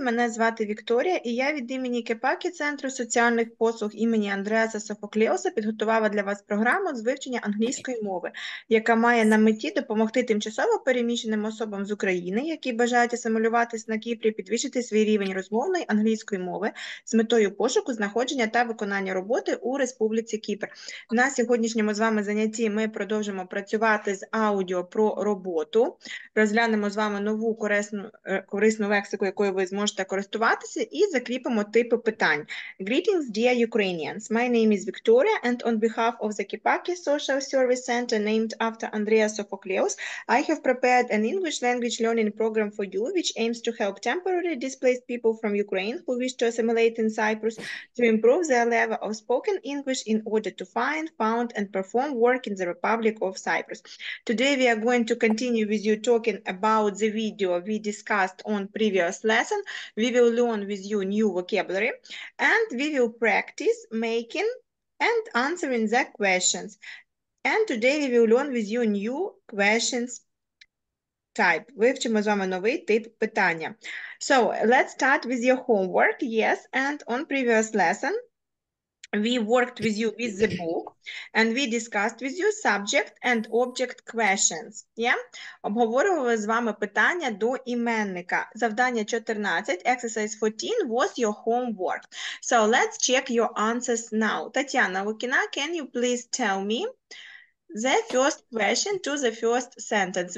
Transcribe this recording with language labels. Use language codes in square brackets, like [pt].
[uk] Мене звати Вікторія, і я від імені КЕПАКІ Центру соціальних послуг імені Андреаса Софокліоса підготувала для вас програму з вивчення англійської мови, яка має на меті допомогти тимчасово переміщеним особам з України, які бажають асимілюватись на Кіпрі, підвищити свій рівень розмовної англійської мови з метою пошуку, знаходження та виконання роботи у Республіці Кіпр. На сьогоднішньому з вами занятті ми продовжимо працювати з аудіо про роботу. Розглянемо з вами нову корисну лексику, якою ви зможете користуватися, і закріпимо типи питань. [en] Greetings, dear Ukrainians. My name is Victoria, and on behalf of the Kipaki Social Service Center, named after Andreas Sophocleous, I have prepared an English language learning program for you, which aims to help temporary displaced people from Ukraine who wish to assimilate in Cyprus to improve their level of spoken English in order to find, found, and perform work in the Republic of Cyprus. Today we are going to continue with you talking about the video we discussed on previous lesson. We will learn with you new vocabulary and we will practice making and answering the questions. And today we will learn with you new questions type. [uk] Вивчимо з вами новий тип питання. [en] So let's start with your homework. Yes, and on previous lesson we worked with you with the book and we discussed with you subject and object questions. Yeah? [uk] Обговорювали з вами питання до іменника. Завдання 14, [en] exercise 14 was your homework. So let's check your answers now. Тетяна Лукіна, can you please tell me the first question to the first sentence?